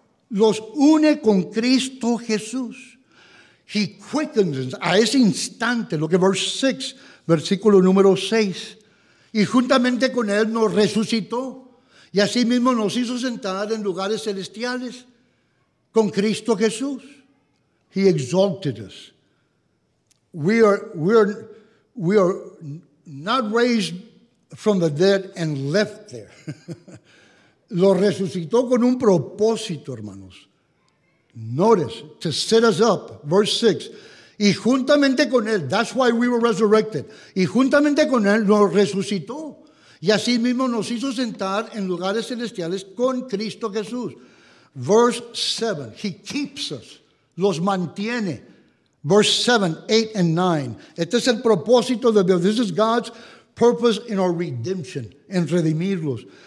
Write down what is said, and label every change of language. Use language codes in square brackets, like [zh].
[es] Los une con Cristo Jesús. [en] He quickens us [es] a ese instante, lo que [en] verse 6, [es] versículo número 6. Y juntamente con Él nos resucitó. Y así mismo nos hizo sentar en lugares celestiales con Cristo Jesús. [en] He exalted us. We are not raised from the dead and left there. [es] Lo resucitó con un propósito, hermanos. [en] Notice, to set us up. Verse 6. [es] Y juntamente con Él, [en] that's why we were resurrected. [es] Y juntamente con Él lo resucitó. Y así mismo nos hizo sentar en lugares celestiales con Cristo Jesús. [en] Verse 7. He keeps us. [es] Los mantiene. [en] Verse 7, 8, and 9. [es] Este es el propósito de Dios. [en] This is God's purpose in our redemption. [es] En redimirlos.